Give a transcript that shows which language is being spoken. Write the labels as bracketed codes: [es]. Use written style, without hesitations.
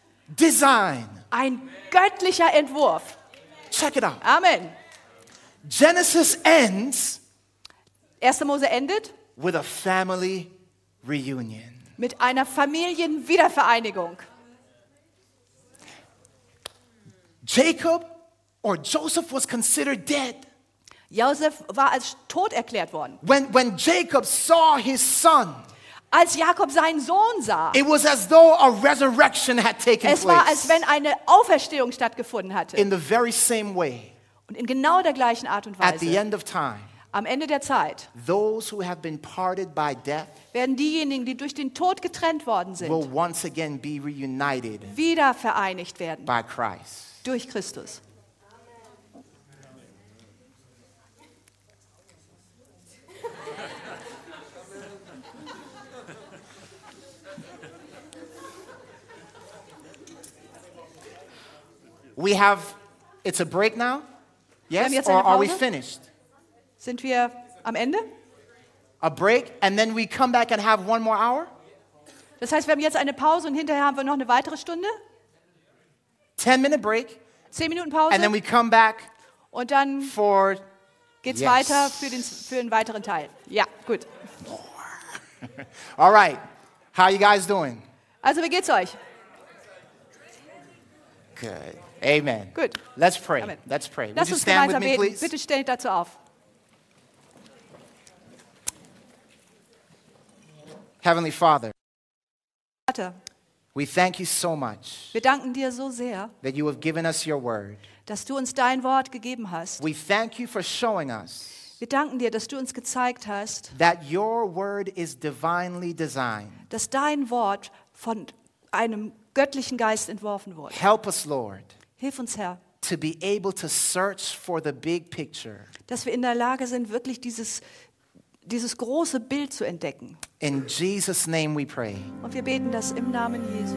[en] Divine design. [de] Ein göttlicher Entwurf. [en] Check it out. Amen. Genesis ends. [de] 1. Mose endet. [en] With a family reunion. [de] Mit einer Familienwiedervereinigung. [en] Jacob or Joseph was considered dead. [de] Joseph war als tot erklärt worden. [en] When Jacob saw his son, [de] als Jakob seinen Sohn sah, [en] it was as though a resurrection had taken [de] place. Es war, als wenn eine Auferstehung stattgefunden hatte. [en] In the very same way. [de] Und in genau der gleichen Art und Weise. [en] At the end of time. [de] Am Ende der Zeit. [en] Those who have been parted by death [de] werden diejenigen, die durch den Tod getrennt worden sind, [en] will once again be reunited [de] wieder vereinigt werden [en] by Christ. [de] Durch Christus. [en] We have, it's a break now. Yes, or are we finished? [de] Sind wir am Ende? [en] A break, and then we come back and have one more hour. [de] Das heißt, wir haben jetzt eine Pause und hinterher haben wir noch eine weitere Stunde. [en] 10-minute break. [de] 10 Minuten Pause. [en] And then we come back. [de] Und dann [en] for, [de] geht's yes. weiter für den weiteren Teil. Ja, gut. [en] All right, how are you guys doing? [de] Also, wie geht's euch? [en] Good. Amen. Good. Let's pray. Amen. Let's pray. [de] Lass uns [en] stand [de] gemeinsam [en] with me, please? [de] Bitte steht dazu auf. [en] Heavenly Father. [de] Vater. [en] We thank you so much. [de] Wir danken dir so sehr. [en] That you have given us your word. [de] Dass du uns dein Wort gegeben hast. [en] We thank you for showing us. [de] Wir danken dir, dass du uns gezeigt hast. [en] That your word is divinely designed. [de] Dass dein Wort von einem göttlichen Geist entworfen wurde. [en] Help us, Lord. [de] Hilf uns, Herr, [en] to be able to search for the big picture. [de] Dass wir in der Lage sind, wirklich dieses große Bild zu entdecken. [en] In Jesus' name we pray. [de] Und wir beten das im Namen Jesu.